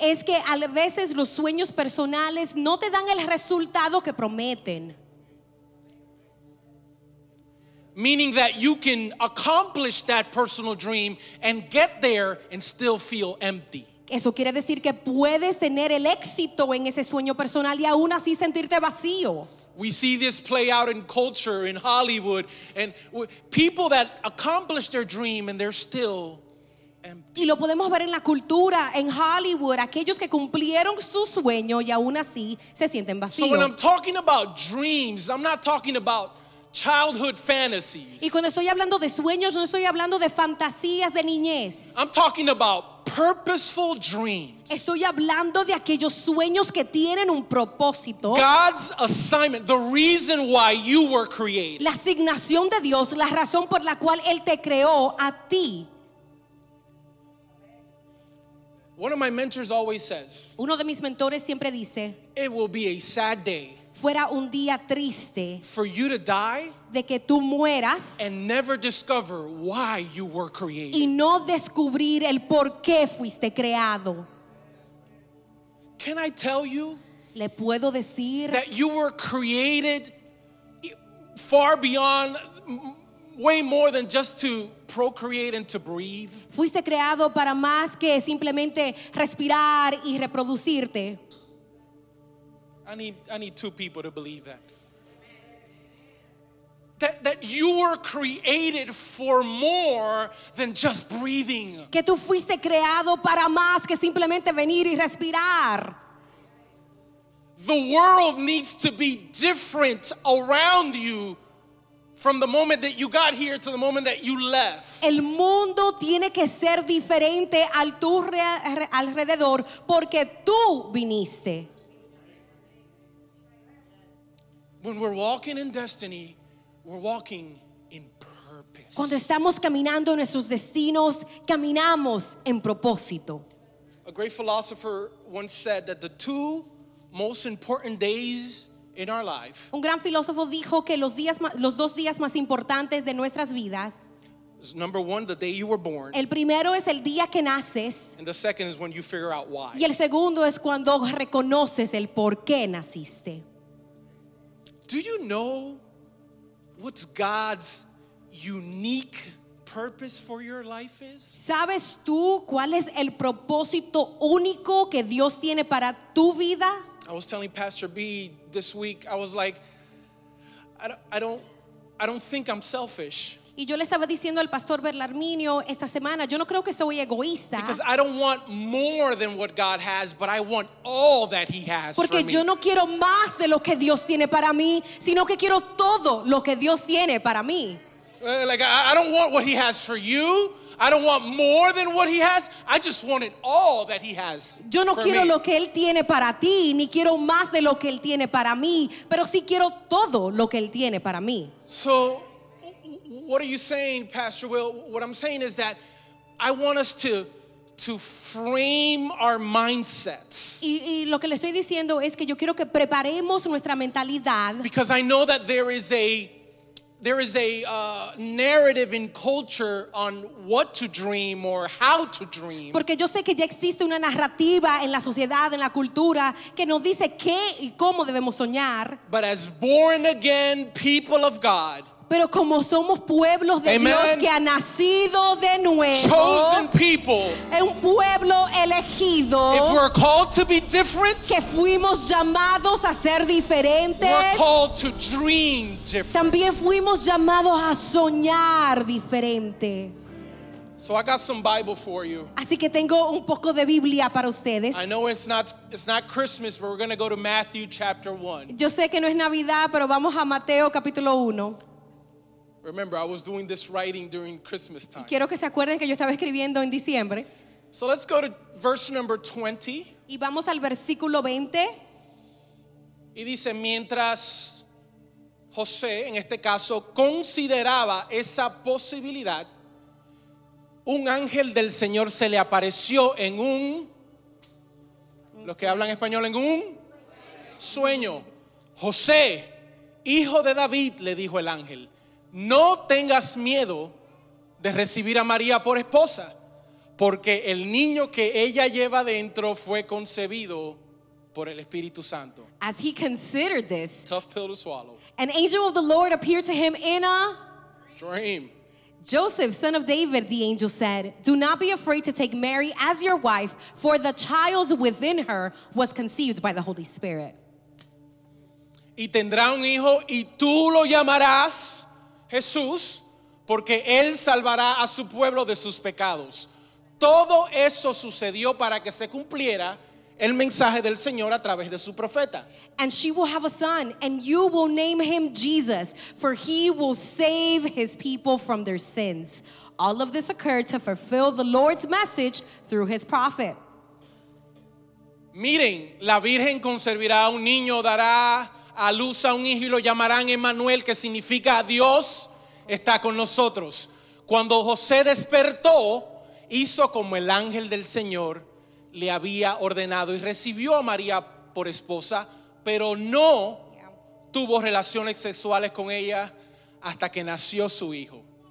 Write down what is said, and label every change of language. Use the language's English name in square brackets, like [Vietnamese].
[Spanish] Es que a veces los sueños personales no te dan el resultado que prometen. [English] Meaning that you can accomplish that personal dream and get there and still feel empty. [Spanish] Eso quiere decir que puedes tener el éxito en ese sueño personal y aún así sentirte vacío. [English] We see this play out in culture, in Hollywood, and people that accomplish their dream and they're still empty. [Spanish] Y lo podemos ver en la cultura, en Hollywood, aquellos que cumplieron su sueño y aún así se sienten vacíos. [English] So when I'm talking about dreams, I'm not talking about childhood fantasies. [Spanish] Y cuando estoy hablando de sueños, no estoy hablando de fantasías de niñez. [English] I'm talking about purposeful dreams. [Spanish] Estoy hablando de aquellos sueños que tienen un propósito. [English] God's assignment, the reason why you were created. [Spanish] La asignación de Dios, la razón por la cual Él te creó a ti. [English] One of my mentors always says, [Spanish] uno de mis mentores siempre dice, [English] it will be a sad day [Spanish] fuera un día triste [English] for you to die [Spanish] de que tú mueras [English] and never discover why you were created. [Spanish] Y no descubrir el por qué fuiste creado. [English] Can I tell you, [Spanish] le puedo decir, [English] that you were created far beyond, way more than just to procreate and to breathe. [Spanish] Fuiste creado para más que simplemente respirar y reproducirte. [English] I need two people to believe that. That you were created for more than just breathing. [Spanish] Que tú fuiste creado para más que simplemente venir y respirar. [English] The world needs to be different around you from the moment that you got here to the moment that you left. [Spanish] El mundo tiene que ser diferente al tu alrededor porque tú viniste. [English] When we're walking in destiny, we're walking in purpose. [Spanish] Cuando estamos caminando en nuestros destinos, caminamos en propósito. [English] A great philosopher once said that the two most important days in our life. [Spanish] Un gran filósofo dijo que los dos días más importantes de nuestras vidas. [English] Is number one, the day you were born. [Spanish] El primero es el día que naces. [English] And the second is when you figure out why. [Spanish] Y el segundo es cuando reconoces el por qué naciste. [English] Do you know what God's unique purpose for your life is? [Spanish] ¿Sabes tú cuál es el propósito único que Dios tiene para tu vida? [English] I was telling Pastor B this week, I was like, I don't think I'm selfish. [Spanish] Y yo le estaba diciendo al pastor Berlarminio esta semana, yo no creo que soy egoísta. [English] Because I don't want more than what God has, but I want all that he has for me. [Spanish] Porque yo no quiero más de lo que Dios tiene para mí, sino que quiero todo lo que Dios tiene para mí. [English] Like I don't want what he has for you. I don't want more than what he has. I just want it all that he has. [Spanish] Yo no quiero lo que él tiene para ti, ni quiero más de lo que él tiene para mí, pero sí quiero todo lo que él tiene para mí. [English] So what are you saying, Pastor Will? What I'm saying is that I want us to frame our mindsets. [Spanish] Y lo que le estoy diciendo es que yo quiero que preparemos nuestra mentalidad. [English] Because I know that there is a narrative in culture on what to dream or how to dream. [Spanish] Porque yo sé que ya existe una narrativa en la sociedad, en la cultura, que nos dice qué y cómo debemos soñar. [English] But as born again people of God. [Spanish] Pero como somos pueblos de [English] Amen. [Spanish] Dios que ha nacido de nuevo, [English] chosen people, [Spanish] es un pueblo elegido, [English] if we're called to be different, [Spanish] que fuimos llamados a ser diferentes, [English] we're called to dream different. [Spanish] También fuimos llamados a soñar diferente. [English] So I got some Bible for you. [Spanish] Así que tengo un poco de Biblia para ustedes. [English] I know it's not Christmas, but we're going to go to Matthew chapter 1. [Spanish] Yo sé que no es Navidad, pero vamos a Mateo capítulo 1. [English] Remember, I was doing this writing during Christmas time. [Spanish] Quiero que se acuerden que yo estaba escribiendo en diciembre. [English] So let's go to verse number 20. [Spanish] Y vamos al versículo 20. Y dice, mientras José, en este caso, consideraba esa posibilidad, un ángel del Señor se le apareció en un, los que hablan español, en un sueño. José, hijo de David, le dijo el ángel. No tengas miedo de recibir a María por esposa, porque el niño que ella lleva dentro fue concebido por el Espíritu Santo. [English] As he considered this, tough pill to swallow. An angel of the Lord appeared to him in a dream. Joseph, son of David, the angel said, do not be afraid to take Mary as your wife, for the child within her was conceived by the Holy Spirit. [Spanish] Y tendrá un hijo y tú lo llamarás Jesús, porque él salvará a su pueblo de sus pecados. Todo eso sucedió para que se cumpliera el mensaje del Señor a través de su profeta. [English] And she will have a son, and you will name him Jesus, for he will save his people from their sins. All of this occurred to fulfill the Lord's message through his prophet. [Spanish] Miren, la Virgen concebirá a un niño, dará a luz a un hijo y lo llamarán Emmanuel, que significa Dios está con nosotros. Cuando José despertó, hizo como el ángel del Señor le había ordenado y recibió a María por esposa, pero no tuvo relaciones sexuales con ella hasta que nació su hijo.